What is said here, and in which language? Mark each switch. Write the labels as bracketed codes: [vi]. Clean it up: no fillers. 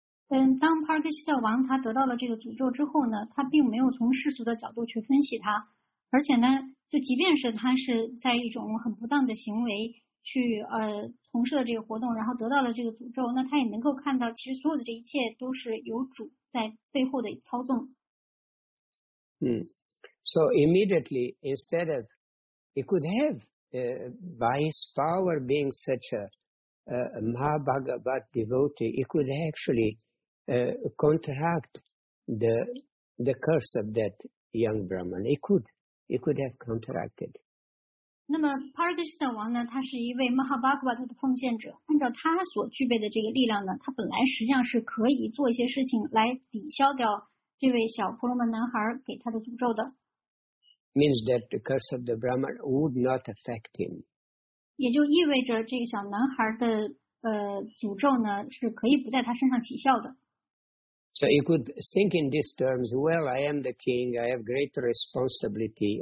[zh] 当帕克希特王他得到了这个诅咒之后呢，他并没有从世俗的角度去分析他，而且呢，就即便是他是在一种很不当的行为去从事了这个活动，然后得到了这个诅咒，那他也能够看到，其实所有的这一切都是由主在背后的操纵。 [en] So immediately, instead of he could have by his power being such a Mahabhagavat devotee, he could actually contract the curse of that young Brahman. He could have contracted. [zh] 那么 Parikshita 王呢，他是一位 Mahabhagavat 的奉献者，按照他所具备的这个力量呢，他本来实际上是可以做一些事情来抵消掉这位小婆罗门男孩给他的诅咒的。 [en] Means that the curse of the Brahman would not affect him. [zh] 也就意味着这个小男孩的诅咒呢是可以不在他身上起效的。 [en] So you could think in these terms, well, I am the king, I have great responsibility.